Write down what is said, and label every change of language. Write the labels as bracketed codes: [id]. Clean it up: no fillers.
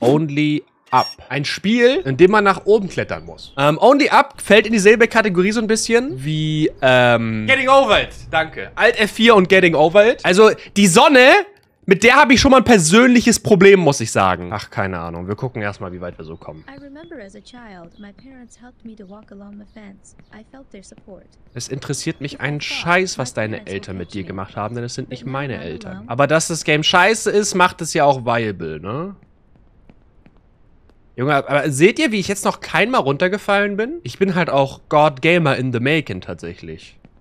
[de] Only Up. Ein Spiel, in dem man nach oben klettern muss. Only Up fällt in dieselbe Kategorie so ein bisschen wie, Getting Over It. Danke. Alt-F4 und Getting Over It. Also, die Sonne, mit der habe ich schon mal ein persönliches Problem, muss ich sagen. Ach, keine Ahnung. Wir gucken erstmal, wie weit wir so kommen. [en] I remember as a child, my parents helped me to walk along the fence. I felt their support. [de] Es interessiert mich einen Scheiß, was deine Eltern mit dir gemacht haben, denn es sind nicht meine Eltern. Aber dass das Game scheiße ist, macht es ja auch viable, ne? Junge, aber seht ihr, wie ich jetzt noch keinmal runtergefallen bin? Ich bin halt auch [en] God Gamer in the making [de] tatsächlich.